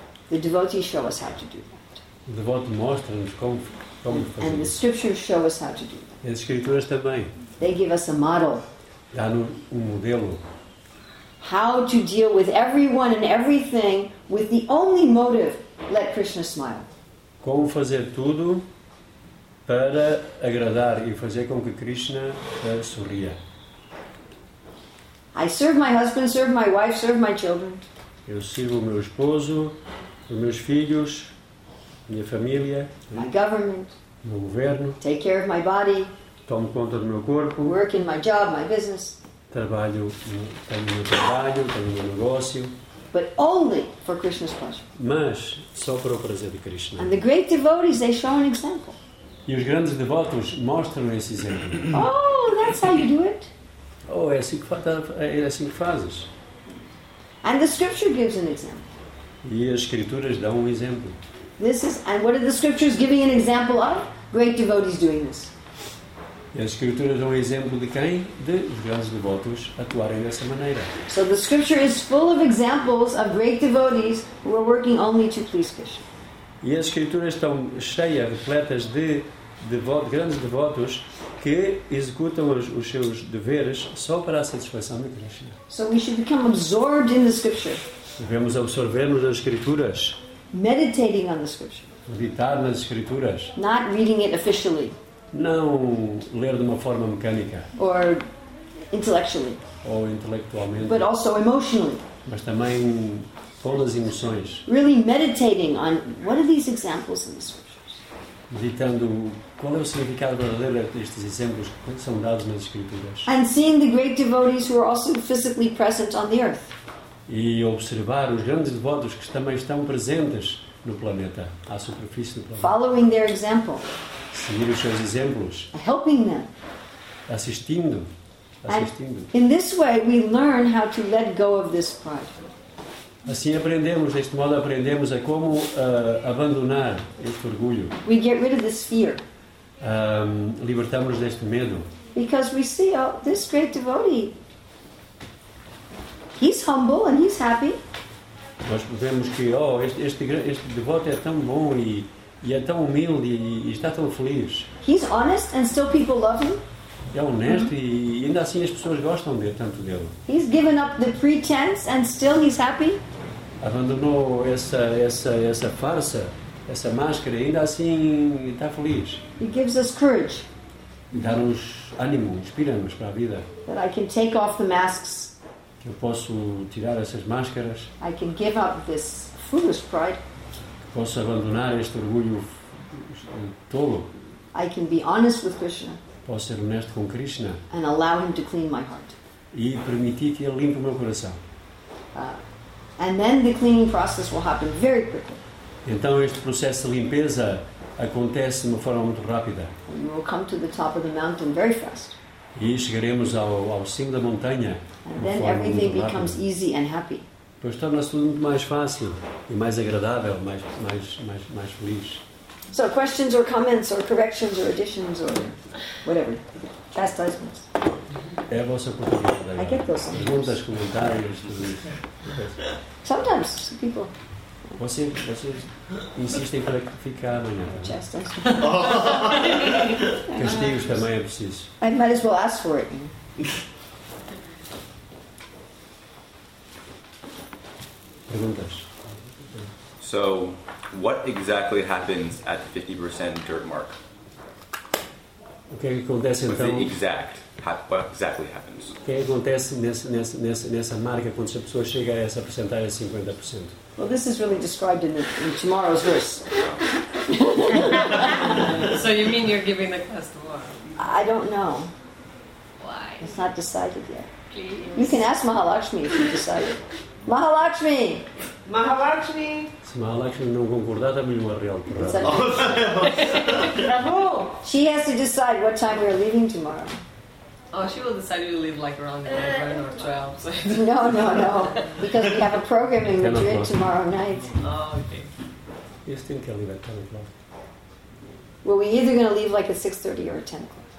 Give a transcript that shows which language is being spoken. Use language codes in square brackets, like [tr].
[en] The devotees show us how to do that. [pt] O devoto mostra-nos como fazer [en] and And the scriptures show us how to do that. [pt] E as escrituras também. [en] They give us a model. [pt] Dá-nos um modelo. [en] How to deal with everyone and everything with the only motive, let Krishna smile. [pt] Como fazer tudo para agradar e fazer com que Krishna sorria. [en] I serve my husband, serve my wife, serve my children. [pt] Eu sirvo o meu esposo, os meus filhos, minha família, [en] my government, [pt] meu governo, [en] take care of my body, [pt] tomo conta do meu corpo, [en] work in my job, my business. [pt] Trabalho, tenho meu trabalho, tenho meu negócio. [en] But only for Krishna's pleasure. [pt] Mas só para o prazer de Krishna. [en] And the great devotees, they show an example. [pt] E os grandes devotos mostram esse exemplo. [en] Oh, that's how you do it. [pt] Oh, é assim que fazes. [en] And the scripture gives an example. [pt] E as escrituras dão um exemplo. [en] This is, and what are the scriptures giving an example of? Great devotees doing this. [pt] E as escrituras dão um exemplo de quem? De os grandes devotos atuarem dessa maneira. [en] So the scripture is full of examples of great devotees who are working only to please Krishna. [pt] E as escrituras estão cheias, repletas de grandes devotos que executam os seus deveres só para a satisfação de Krishna. [en] So we should become absorbed in the scripture. [pt] Devemos absorver-nos nas escrituras. [en] Meditating on the scripture. [pt] Meditar nas escrituras. [en] Not reading it officially. [pt] Não ler de uma forma mecânica. [en] Or intellectually. [pt] Ou intelectualmente. [en] But also emotionally. [pt] Mas também todas as emoções. [en] Really meditating on what are these examples in the scriptures? [pt] Meditando qual é o significado verdadeiro destes exemplos que são dados nas escrituras. [en] And seeing the great devotees who are also physically present on the earth. [pt] E observar os grandes devotos que também estão presentes no planeta, à superfície do planeta. [en] Following their example. [pt] Seguir os seus exemplos. [en] Helping them. [pt] Assistindo. [en] In this way we learn how to let go of this pride. [pt] Assim aprendemos, deste modo aprendemos a como abandonar este orgulho. [en] We get rid of this fear. [pt] Libertamos-nos deste medo. [en] Because we see, oh, this great devotee. He's humble and he's happy. [pt] Nós podemos que, oh, este devoto é tão bom e é tão humilde e está tão feliz. [en] He's honest and still people love him. [pt] É honesto e ainda assim as pessoas gostam de tanto dele. [en] He's given up the pretense and still he's happy. [pt] Abandonou essa farsa, essa máscara e ainda assim está feliz. [en] He gives us courage. [pt] Dá-nos ânimo, inspira-nos para a vida. [en] That I can take off the masks. [pt] Que eu posso tirar essas máscaras. [en] I can give up this foolish pride. [pt] Posso abandonar este orgulho tolo. [en] I can be honest with Krishna. [pt] Posso ser honesto com Krishna. [en] And allow him to clean my heart. [pt] E permitir que ele limpe o meu coração. [en] And then the cleaning process will happen very quickly. [pt] Então este processo de limpeza acontece de uma forma muito rápida. [en] We will come to the top of the mountain very fast. [pt] E chegaremos ao cimo da montanha. [en] And then everything becomes easy and happy. [pt] Pois torna-se tudo muito mais fácil e mais agradável, mais feliz. [en] So questions or comments or corrections or additions or whatever. Chastisements. [pt] É a vossa oportunidade. [en] I get those sometimes. [pt] Perguntas, comentários, tudo isso. [en] Sometimes people. [pt] Vocês insistem para que fique amanhã. [en] Chastisements. [pt] Castigos também é preciso. [en] I might as well ask for it. [pt] Perguntas. [en] So, what exactly happens at the 50% dirt mark? [pt] O que é que acontece então? [en] What exactly happens? [pt] O que é que acontece nessa marca quando a pessoa chega a essa percentagem de 50%? [en] Well, this is really described in tomorrow's verse. So you mean you're giving the class tomorrow? I don't know. Why? It's not decided yet. Please. You can ask Mahalakshmi if you decide. Mahalakshmi! Mahalakshmi! [pt] Se Mahalakshmi não concordar, dá-me uma real porrada. [en] Prabhu! She has to decide what time we're leaving tomorrow. Oh, she will decide to leave like around 11 or 12. So. No. Because we have a program in Madrid tomorrow night. Oh, okay. You think I'll leave at 10 o'clock? Well, we're either going to leave like at 6:30 or at 10 o'clock.